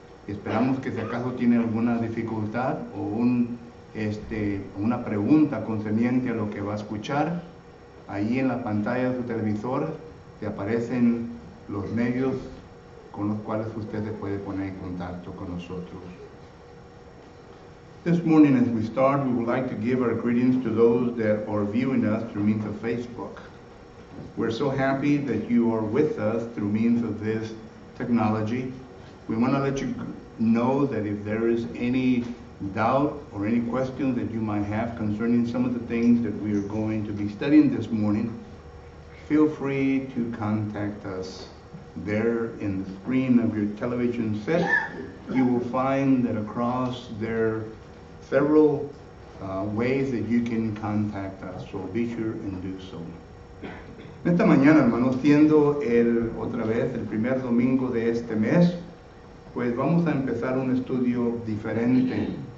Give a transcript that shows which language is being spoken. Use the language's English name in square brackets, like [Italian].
[Spanish] Y esperamos que si acaso tiene alguna dificultad o una pregunta concerniente a lo que va a escuchar, ahí en la pantalla de su televisor se aparecen los medios con los cuales usted se puede poner en contacto con nosotros. [English] This morning as we start, we would like to give our greetings to those that are viewing us through means of Facebook. We're so happy that you are with us through means of this technology. We want to let you know that if there is any doubt or any question that you might have concerning some of the things that we are going to be studying this morning, feel free to contact us. There in the screen of your television set, you will find that across there several ways that you can contact us, so be sure and do so. [Spanish] Esta mañana, hermanos, siendo el primer domingo de este mes, pues vamos a empezar un estudio diferente.